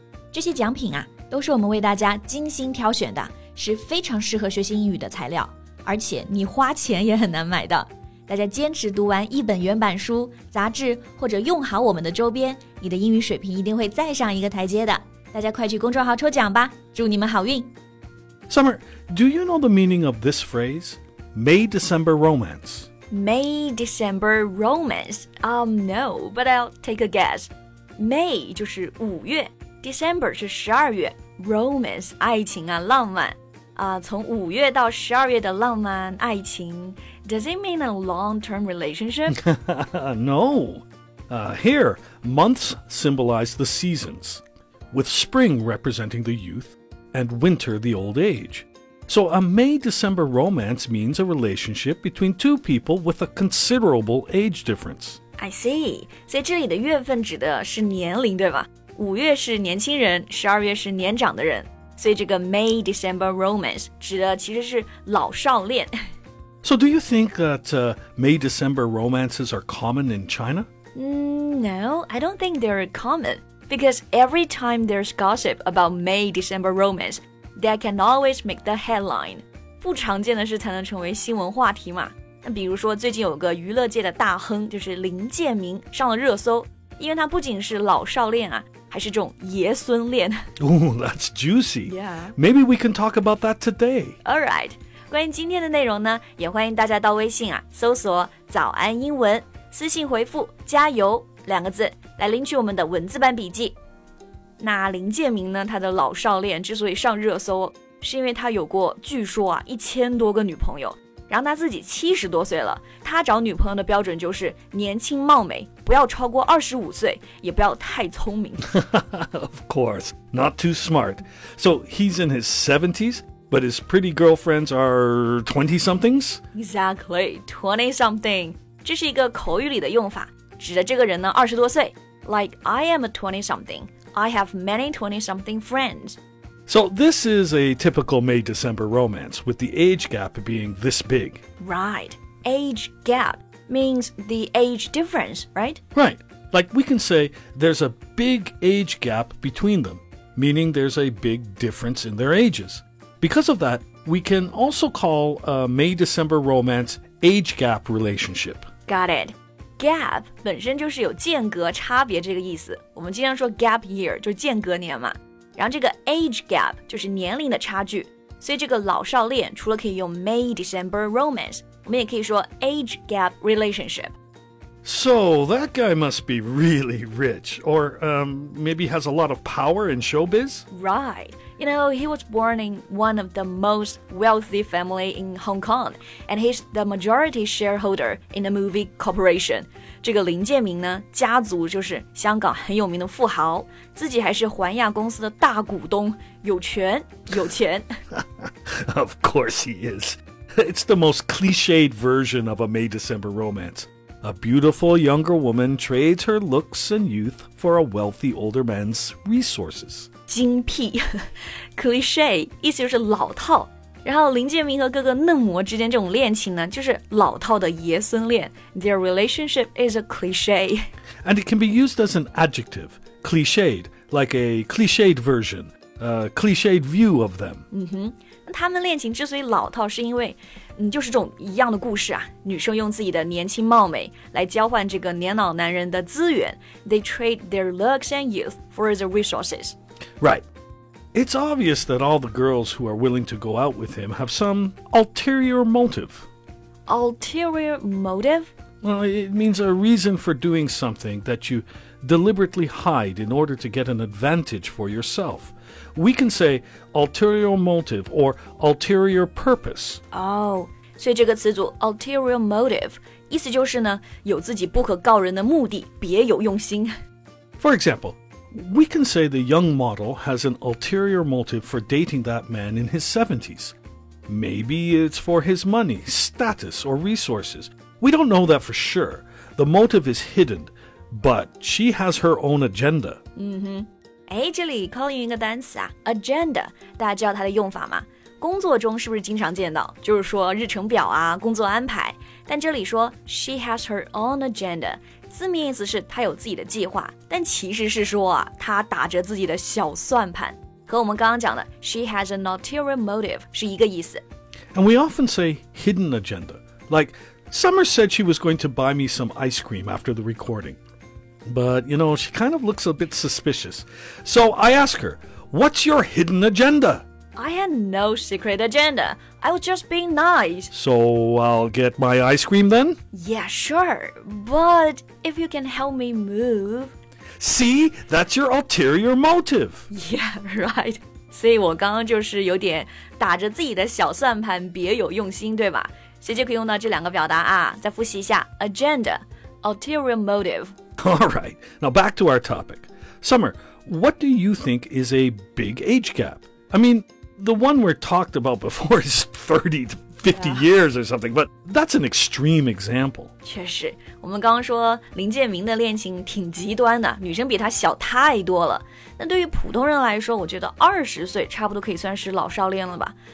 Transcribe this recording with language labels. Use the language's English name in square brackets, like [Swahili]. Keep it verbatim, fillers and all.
[Chinese] 这些奖品啊，都是我们为大家精心挑选的。是非常适合学习英语的材料，而且你花钱也很难买到。大家坚持读完一本原版书、杂志，或者用好我们的周边，你的英语水平一定会再上一个台阶的。大家快去公众号抽奖吧，祝你们好运。 [English] Summer, do you know the meaning of this phrase? May-December romance. May-December romance? Um, no, but I'll take a guess. [Chinese] May 就是五月 ,December 是十二月 ,romance 爱情啊，浪漫。 Uh, 从五月到十二月的浪漫爱情 [English] Does it mean a long-term relationship? No. Uh, here, months symbolize the seasons, with spring representing the youth and winter the old age. So a May-December romance means a relationship between two people with a considerable age difference. I see. [Chinese] 所以这里的月份指的是年龄，对吧？五月是年轻人，十二月是年长的人。所以这个 May-December romance 指的其实是老少恋。 [English] So do you think that uh, May-December romances are common in China? Mm, no, I don't think they're common. Because every time there's gossip about May-December romance, that can always make the headline. [Chinese] 不常见的事才能成为新闻话题嘛。那比如说最近有个娱乐界的大亨，就是林建明上了热搜，因为他不仅是老少恋啊，还是这种爷孙恋。 [English] Ooh, that's juicy. Yeah. Maybe we can talk about that today. All right. [Chinese] 关于今天的内容呢，也欢迎大家到微信啊，搜索早安英文，私信回复加油两个字来领取我们的文字版笔记。那林建明呢，他的老少恋之所以上热搜，是因为他有过据说啊一千多个女朋友，然后他自己七十多岁了，他找女朋友的标准就是年轻貌美，不要超过二十五岁，也不要太聪明。 [English] Of course, not too smart. So he's in his seventies, but his pretty girlfriends are twenty-somethings? Exactly, twenty-something. [Chinese] 这是一个口语里的用法，指的这个人呢二十多岁。 [English] Like, I am a twenty-something. I have many twenty-something friends. So this is a typical May-December romance, with the age gap being this big. Right. Age gap means the age difference, right? Right. Like we can say there's a big age gap between them, meaning there's a big difference in their ages. Because of that, we can also call a May-December romance age gap relationship. Got it. [Chinese] Gap 本身就是有间隔差别这个意思。我们经常说 gap year, 就是间隔年嘛。然后这个 age gap 就是年龄的差距，所以这个老少恋除了可以用 May-December romance， 我们也可以说 age gap relationship。 [English] So that guy must be really rich, or um, maybe has a lot of power in showbiz? Right. You know, he was born in one of the most wealthy family in Hong Kong, and he's the majority shareholder in a movie corporation. [Chinese] 这个林建明呢，家族就是香港很有名的富豪，自己还是环亚公司的大股东，有权有钱。 [English] Of course he is. It's the most cliched version of a May-December romance. A beautiful younger woman trades her looks and youth for a wealthy older man's resources. [Chinese] 精辟 cliché 意思就是老套。然后林建明和各个嫩模之间这种恋情呢，就是老套的爷孙恋。 [English] Their relationship is a cliché. And it can be used as an adjective, clichéd, like a clichéd version, a clichéd view of them. 嗯哼。 [Chinese] 他们恋情之所以老套，是因为嗯，就是这种一样的故事啊。女生用自己的年轻貌美来交换这个年老男人的资源。 [English] They trade their looks and youth for their resources. Right. It's obvious that all the girls who are willing to go out with him have some ulterior motive. Ulterior motive? Well, it means a reason for doing something that you deliberately hide in order to get an advantage for yourself. We can say ulterior motive or ulterior purpose. [Chinese] Oh, 所以这个词组 ulterior motive 意思就是呢，有自己不可告人的目的，别有用心。 [English] For example, we can say the young model has an ulterior motive for dating that man in his seventies. Maybe it's for his money, status, or resources. We don't know that for sure. The motive is hidden, but she has her own agenda. [Chinese] 嗯哼，哎，这里 calling 一个单词啊 ，agenda， 大家知道它的用法吗？工作中是不是经常见到？就是说日程表啊，工作安排。但这里说 [English] she has her own agenda， [Chinese] 字面意思是她有自己的计划，但其实是说啊，她打着自己的小算盘。和我们刚刚讲的 [English] she has an ulterior motive [Chinese] 是一个意思。 [English] And we often say hidden agenda. Like, Summer said she was going to buy me some ice cream after the recording. But, you know, she kind of looks a bit suspicious. So I ask her, what's your hidden agenda? I had no secret agenda. I was just being nice. So I'll get my ice cream then? Yeah, sure. But if you can help me move... See, that's your ulterior motive. Yeah, right. [Chinese] 所以我刚刚就是有点打着自己的小算盘，别有用心，对吧？所以就可以用到这两个表达啊。再复习一下 agenda, ulterior motive. [English] All right. Now back to our topic. Summer, what do you think is a big age gap? I mean, the one we're talked about before is thirty to fifty yeah. years or something, but that's an extreme example. [Chinese] 确实，我们刚刚说林建明的恋情挺极端的，女生比他小太多了。那对于普通人来说，我觉得二十岁差不多可以算是老少恋了吧。